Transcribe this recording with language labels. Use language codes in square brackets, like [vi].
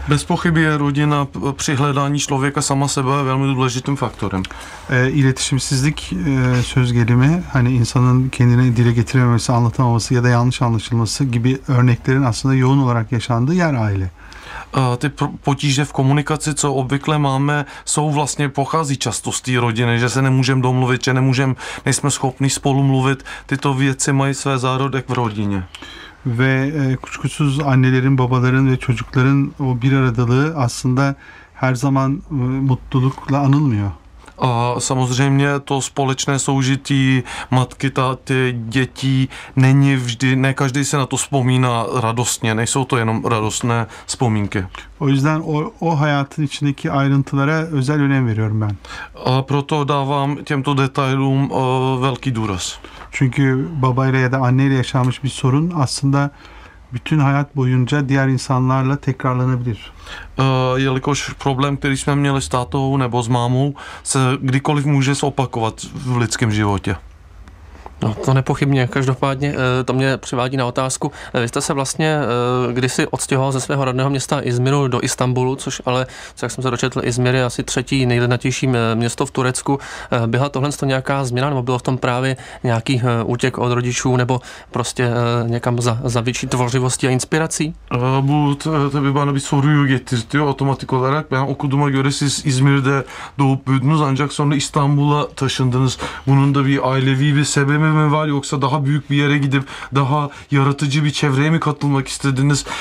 [cs] Bez pochyby je rodina při hledání člověka sama sebe velmi důležitým faktorem. [tr] İletişimsizlik söz gelimi, hani insanın kendini dile getirememesi, anlatamaması ya da yanlış anlaşılması gibi örneklerin aslında yoğun olarak yaşandığı yer aile. [cs] Ty potíže v komunikaci, co obvykle máme, jsou vlastně, pochází často z té rodiny, že se nemůžeme domluvit, že nejsme schopni spolu mluvit. Tyto věci mají své zárodek v rodině. [tr] Ve kuşkusuz annelerin, babaların ve çocukların o bir aradalığı aslında her zaman mutlulukla anılmıyor. [cs] A samozřejmě to společné soužití matky, táty, dětí není vždy, ne každý se na to vzpomíná radostně, nejsou to jenom radostné vzpomínky. [tr] O yüzden o hayatın içindeki ayrıntılara özel önem veriyorum ben. [cs] A proto dávám těmto detailům velký důraz. [tr] Çünkü babayla ya da anneyle yaşanmış bir sorun aslında bütün hayat boyunca diğer insanlarla tekrarlanabilir. [cs] Jelikož problém, který jsme měli s tátou nebo s mámou, se kdykoliv může zopakovat v lidském životě. No, to nepochybně. Každopádně to mě přivádí na otázku. Vy jste se vlastně kdysi odstěhoval ze svého rodného města Izmiru do Istanbulu, což ale, jak jsem se dočetl, Izmir je asi třetí nejlidnatější město v Turecku. Byla tohle nějaká změna, nebo bylo v tom právě nějaký útěk od rodičů, nebo prostě někam za větší tvořivostí a inspirací? [tr] Tabii bana bir soruyu getirtiyor otomatik olarak. Ben okuduğuma göre siz İzmir'de doğup büyüdünüz, ancak sonra İstanbul'a taşındınız. Bunun da bir ailevi bir sebebi mi var, yoksa daha büyük bir yere gidip daha yaratıcı bir çevreye mi katılmak istediniz?